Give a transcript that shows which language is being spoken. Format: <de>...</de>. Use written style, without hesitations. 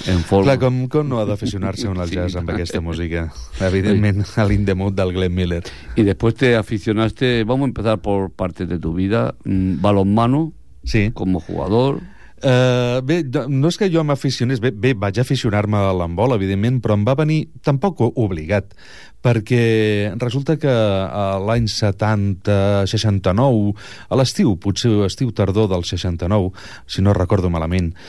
<ca>folk. Clar, com no ha d'aficionar-se un al jazz amb aquesta música? Evidentment, a l'indemut del Glenn Miller. I després</ca> <es>te aficionaste, vamos a empezar por parte de tu vida, balonmano, sí, como jugador.</es> <ca>Bé, no és que jo m'aficionés, bé, vaig aficionar-me a l'handbol, evidentment, però em va venir tampoc obligat, perquè resulta que l'any 70-69, a l'estiu, potser estiu tardor del 69, si no recordo malament,</ca>